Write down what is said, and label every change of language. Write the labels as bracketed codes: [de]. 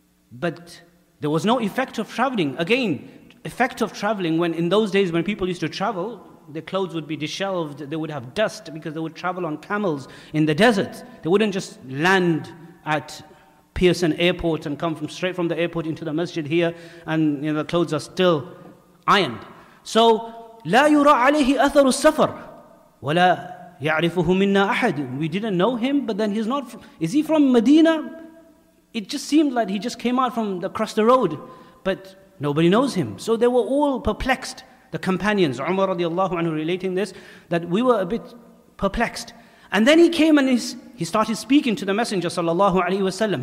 [en] But there was no effect of traveling. Again, effect of traveling, when in those days when people used to travel, their clothes would be disheveled, they would have dust because they would travel on camels in the desert. They wouldn't just land at Pearson Airport and come from straight from the airport into the masjid here, and you know, the clothes are still ironed. [ar] So, لا يرى عليه أثر السفر ولا يَعْرِفُهُ مِنَّا أَحَدٍ. [en] We didn't know him, but then he's not... Is he from Medina? It just seemed like he just came out from across the road. But nobody knows him. So they were all perplexed, the companions. Umar radiallahu anhu relating this, that we were a bit perplexed. And then he came and he started speaking to the Messenger sallallahu alayhi wa sallam.